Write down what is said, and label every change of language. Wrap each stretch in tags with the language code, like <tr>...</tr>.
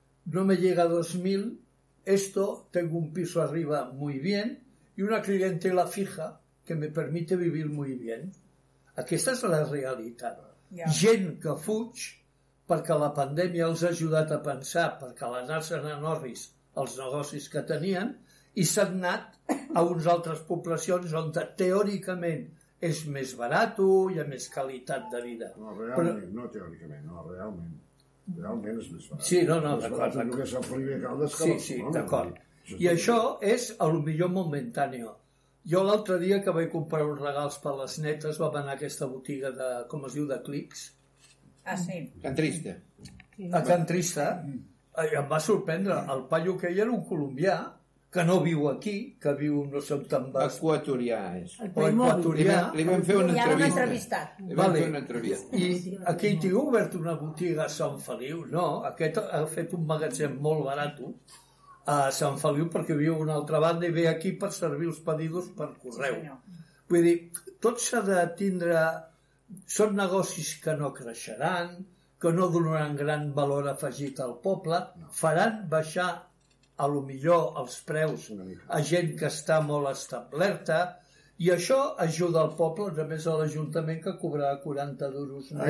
<es>No me llega 2.000, esto, tengo un piso arriba muy bien y una clientela fija que me permite vivir muy bien.</es> <ca>Aquesta és la realitat.</ca> <en>Yeah.</en> <ca>Gent que fuig perquè la pandèmia els ha ajudat a pensar, perquè l'anar-se'n en orris els negocis que tenien i s'han anat a unes altres poblacions on teòricament és més barat i hi ha més qualitat de vida. No, realment, però... no teòricament, no, realment. Realment és més barat. Sí, no, d'acord. El que se'n fa Caldes... Sí, sí, no, d'acord. I això és el millor momentàneo. Jo l'altre dia que vaig comprar uns regals per les netes vam anar a aquesta botiga de, com es diu, de clics. Ah, sí. Can Trista. A Can Trista. I em va sorprendre. El paio que hi era un colombià que no viu aquí, que viu no sé on te'n vas. Equatorià, és. El Equatorià. Li vam fer una entrevista. Ja entrevista. Li vam fer una entrevista. I sí, aquell tio ha obert una botiga a Sant Feliu. No, aquest ha fet un magatzem molt barat a Sant Feliu perquè viu a una altra banda i ve aquí per servir els pedidos per correu. Sí, vull dir, tot s'ha de tindre... Són negocis que no creixeran, que no donaran gran valor afegit al poble, faran baixar a lo millor els preus a gent que està molt establerta i això ajuda el poble, a més a l'Ajuntament que cobrarà 40 d'euros més.</ca>